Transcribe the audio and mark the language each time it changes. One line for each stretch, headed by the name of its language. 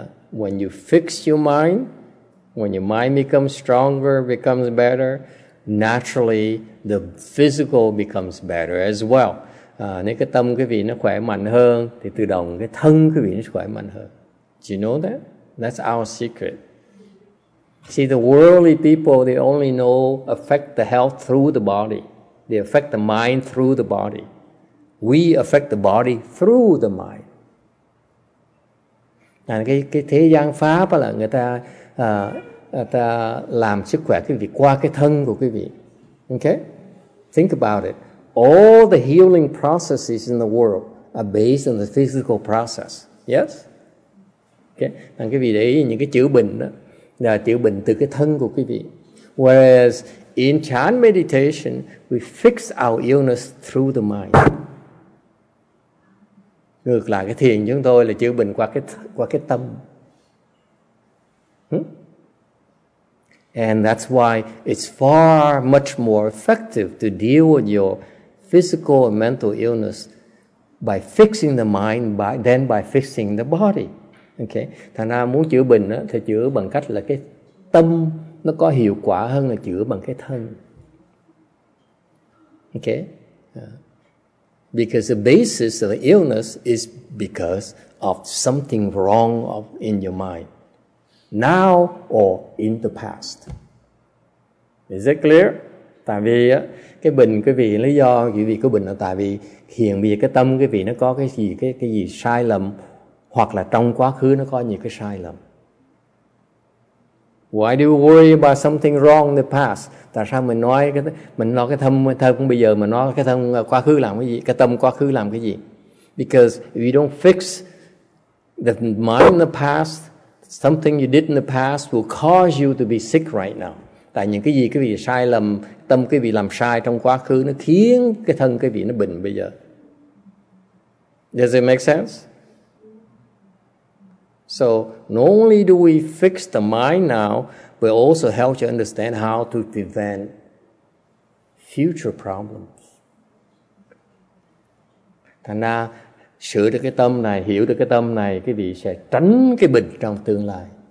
English: When you fix your mind, when your mind becomes stronger, becomes better, naturally the physical becomes better as well.
Vietnamese: Nếu cái tâm quý vị nó khỏe mạnh hơn thì tự động cái thân quý vị nó khỏe mạnh hơn.
English: Do you know that? That's our secret. See, the worldly people, they only know affect the health through the body. They affect the mind through the body. We affect the body through the mind.
Vietnamese: À, cái thế gian pháp là người ta làm sức khỏe quý vị qua cái thân của quý vị.
English: Okay? Think about it. All the healing processes in the world are based on the physical process. Yes? Okay?
Vietnamese: Thằng quý vị để ý những cái chữa bệnh đó là chữa bệnh từ cái thân của quý vị.
English: Whereas in Chan meditation, we fix our illness through the mind.
Vietnamese: Ngược lại cái thiền chúng tôi là chữa bệnh qua cái tâm.
English: And that's why it's far much more effective to deal with your physical and mental illness by fixing the mind than by fixing the body. Okay.
Vietnamese: Thành ra muốn chữa bệnh á, thì chữa bằng cách là cái tâm nó có hiệu quả hơn là chữa bằng cái thân.
English: Okay. Because the basis of the illness is because of something wrong in your mind. Now or in the past. Is it clear?
Vietnamese: Tại vì á, cái bệnh quý vị lý do quý vị có bệnh là tại vì hiện bây giờ cái tâm quý vị nó có cái gì sai lầm, hoặc là trong quá khứ nó có những cái sai lầm.
English: Why do we worry about something wrong in the past?
Vietnamese: Tại sao mình nói cái thân bây giờ mà nói cái thân quá khứ làm cái gì, cái tâm quá khứ làm cái gì?
English: Because if you don't fix the mind in the past, something you did in the past will cause you to be sick right now.
Vietnamese: Tại những cái gì quý vị sai lầm, tâm quý vị làm sai trong quá khứ, nó khiến cái thân quý vị nó bệnh bây giờ.
English: Does it make sense? So, not only do we fix the mind now, but also help you understand how to prevent future problems.
Vietnamese: Thành ra, sửa được cái tâm này, hiểu được cái tâm này, quý vị sẽ tránh cái bệnh trong tương lai.